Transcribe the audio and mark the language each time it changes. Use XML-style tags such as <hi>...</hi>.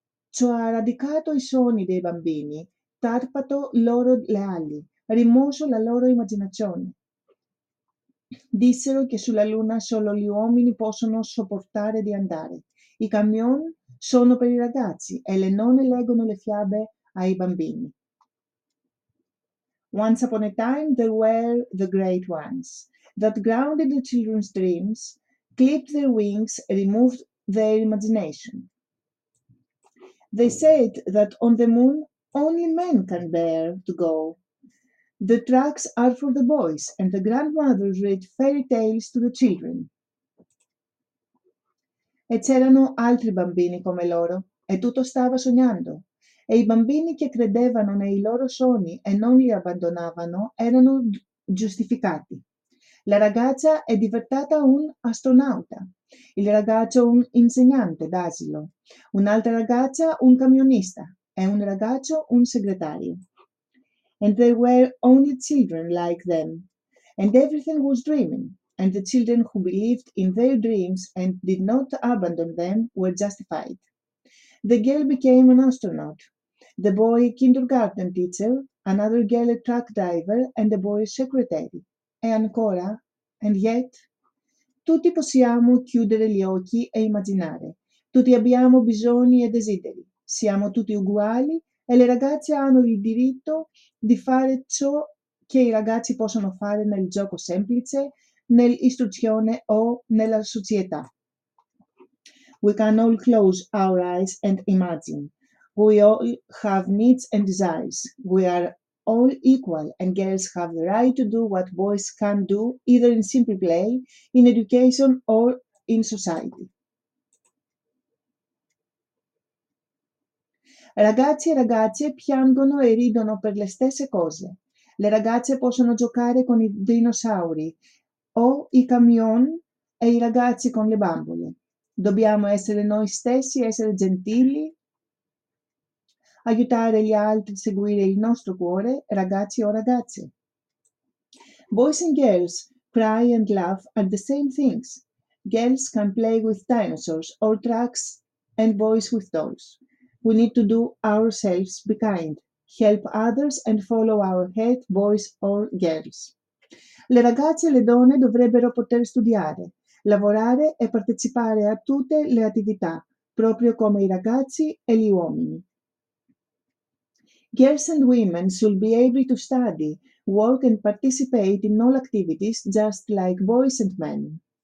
<it>Ciò ha radicato i sogni dei bambini, tarpato loro le ali, rimosso la loro immaginazione. Dissero che sulla luna solo gli uomini possono sopportare di andare. I camion sono per i ragazzi e le nonne leggono le fiabe ai bambini.</it> <en>Once upon a time there were the great ones that grounded the children's dreams, clipped their wings, removed their imagination. They said that on the moon only men can bear to go. The tracks are for the boys, and the grandmothers read fairy tales to the children.</en> <it>E c'erano altri bambini come loro, e tutto stava sognando. E i bambini che credevano nei loro sogni e non li abbandonavano erano giustificati. La ragazza è diventata un astronauta, il ragazzo un insegnante d'asilo, un'altra ragazza un camionista e un ragazzo un segretario.</it> <en>And there were only children like them, and everything was dreaming, and the children who believed in their dreams and did not abandon them were justified. The girl became an astronaut, the boy a kindergarten teacher, another girl a truck driver, and the boy a secretary.</en> <it>E ancora,</it> <en>and yet,</en> <it>tutti possiamo chiudere gli occhi e immaginare. Tutti abbiamo bisogni e desideri. Siamo tutti uguali e le ragazze hanno il diritto di fare ciò che i ragazzi possono fare nel gioco semplice, nell'istruzione o nella società.</it> <en>We can all close our eyes and imagine. We all have needs and desires. We are all equal, and girls have the right to do what boys can do, either in simple play, in education, or in society.</en> <it>Ragazzi e ragazze piangono e ridono per le stesse cose. Le ragazze possono giocare con i dinosauri o i camion e i ragazzi con le bambole. Dobbiamo essere noi stessi, essere gentili, aiutare gli altri a seguire il nostro cuore, ragazzi o ragazze.</it> <en>Boys and girls cry and laugh at the same things. Girls can play with dinosaurs or trucks and boys with dolls. We need to do ourselves, be kind, help others and follow our head, boys or girls.</en> <it>Le ragazze e le donne dovrebbero poter studiare, lavorare e partecipare a tutte le attività, proprio come i ragazzi e gli uomini.</it> <en>Girls and women should be able to study, work and participate in all activities just like boys and men.</en>